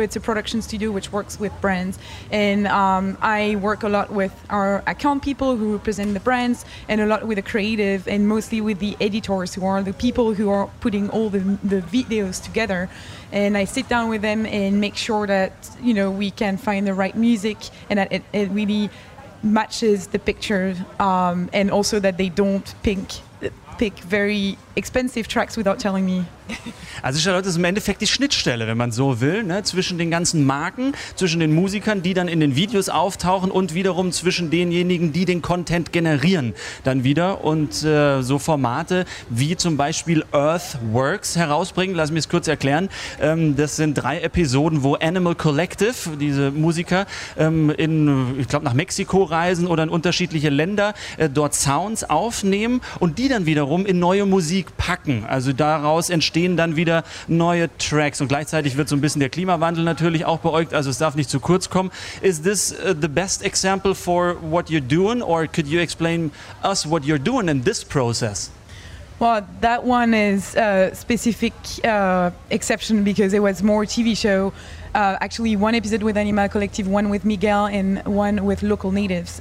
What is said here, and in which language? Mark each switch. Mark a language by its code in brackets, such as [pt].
[en] It's a production studio which works with brands, and I work a lot with our account people who represent the brands, and a lot with the creative, and mostly with the editors, who are the people who are putting all the videos together. And I sit down with them and make sure that, you know, we can find the right music and that it really matches the picture, and also that they don't pick very expensive tracks without telling me. [de] Also Charlotte ist im Endeffekt die Schnittstelle, wenn man so will, ne? Zwischen den ganzen Marken, zwischen den Musikern, die dann in den Videos auftauchen, und wiederum zwischen denjenigen, die den Content generieren dann wieder und so Formate wie zum Beispiel Earthworks herausbringen. Lass mich es kurz erklären. Das sind 3 Episoden, wo Animal Collective, diese Musiker, nach Mexiko reisen oder in unterschiedliche Länder, dort Sounds aufnehmen und die dann wiederum in neue Musik packen. Also daraus entstehen dann wieder neue Tracks, und gleichzeitig wird so ein bisschen der Klimawandel natürlich auch beäugt, also es darf nicht zu kurz kommen. [en] Is this the best example for what you're doing, or could you explain us what you're doing in this process? Well, that one is a specific exception because it was more TV show. Actually, one episode with Animal Collective, one with Miguel, and one with local natives.